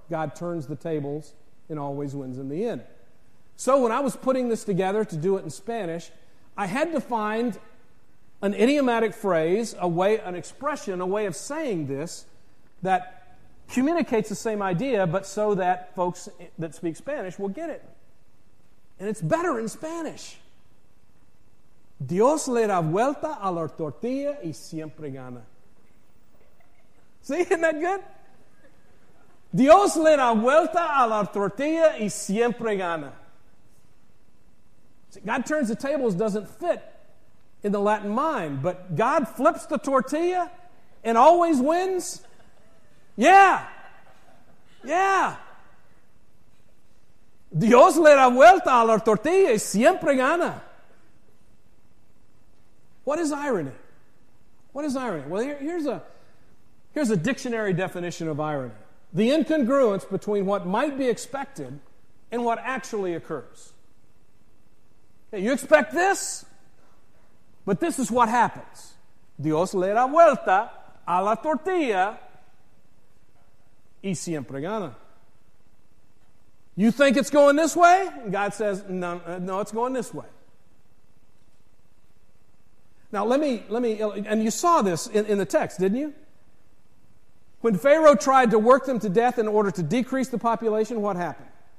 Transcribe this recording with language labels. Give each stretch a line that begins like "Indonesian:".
English: God turns the tables and always wins in the end. So when I was putting this together to do it in Spanish, I had to find an idiomatic phrase, a way of saying this that communicates the same idea, but so that folks that speak Spanish will get it. And it's better in Spanish.
Spanish: Dios le da vuelta a la tortilla y siempre gana.
English: See, isn't that good?
Spanish: Dios le da vuelta a la tortilla y siempre gana.
English: See, God turns the tables doesn't fit in the Latin mind, but God flips the tortilla and always wins? Yeah. Yeah.
Spanish: Dios le da vuelta a la tortilla y siempre gana.
English: What is irony? What is irony? Well, here's a dictionary definition of irony. The incongruence between what might be expected and what actually occurs. Okay, you expect this, but this is what happens.
Spanish: Dios le da vuelta a la tortilla y siempre gana.
English: You think it's going this way? And God says, no, it's going this way. Now, let me, and you saw this in the text, didn't you? When Pharaoh tried to work them to death in order to decrease the population, what happened?